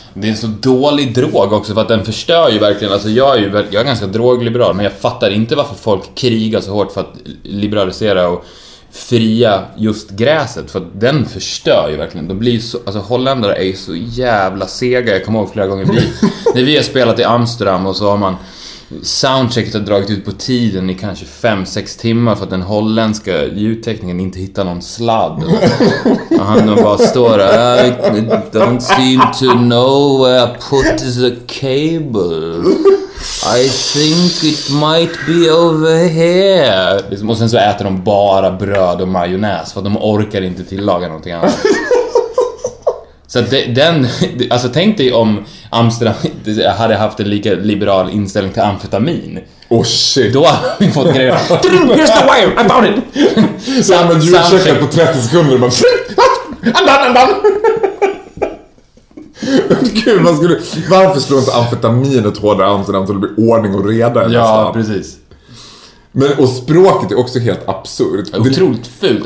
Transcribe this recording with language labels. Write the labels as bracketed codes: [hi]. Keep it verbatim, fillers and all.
[sv] Det är en så dålig drog också, för att den förstör ju verkligen. Alltså jag är ju jag är ganska drogliberal, men jag fattar inte varför folk krigar så hårt för att liberalisera och fria just gräset, för att den förstör ju verkligen. De blir så, alltså holländare är ju så jävla sega. Jag kommer ihåg flera gånger vi, när vi har spelat i Amsterdam och så har man soundchecket har dragit ut på tiden i kanske fem sex timmar för att den holländska ljudtekniken inte hittar någon sladd. Och han bara står där, [en] I don't seem to know where I put the cable, I think it might be over here. [sv] Och sen så äter de bara bröd och majonnäs för att de orkar inte tillaga någonting annat. Så den, alltså tänk dig om Amsterdam hade haft en lika liberal inställning till amfetamin. [en] Oh shit. [sv] Då hade vi fått grejer. [en] Here's the wire, I found it. [sv] Så använder du ursäkter på trettio sekunder och bara andan, andan. Gud, man skulle, varför slår inte amfetaminet hårdare Amsterdam så det blir ordning och reda? Ja, precis. Men, och språket är också helt absurt. Otroligt fult.